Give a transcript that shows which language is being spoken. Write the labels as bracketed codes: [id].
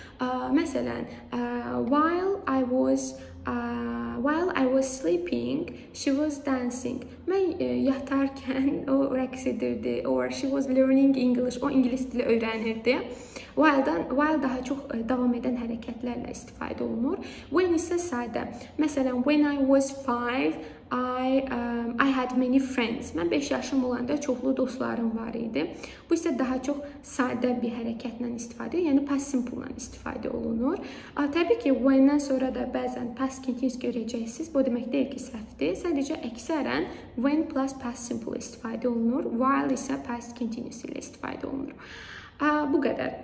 [az] Məsələn, [en] while I was sleeping, she was dancing. [az] Mən yatarkən o rəqs edirdi, [en] or she was learning English, [az] o ingilis dili öyrənirdi. While daha çox davam edən hərəkətlərlə istifadə olunur. When isə sadə. [en] Məsələn, when I was 5, I had many friends. [az] Mən 5 yaşım olanda çoxlu dostlarım var idi. Bu isə daha çox sadə bir hərəkətlə istifadə olunur, yəni past simple-lə istifadə olunur. Təbii ki, when-dən sonra da bəzən past continuous görəcəksiniz. Bu demək deyil ki, səhvdir. Sadəcə əksərən when plus past simple istifadə olunur, while isə past continuous ilə istifadə olunur. Bu qədər.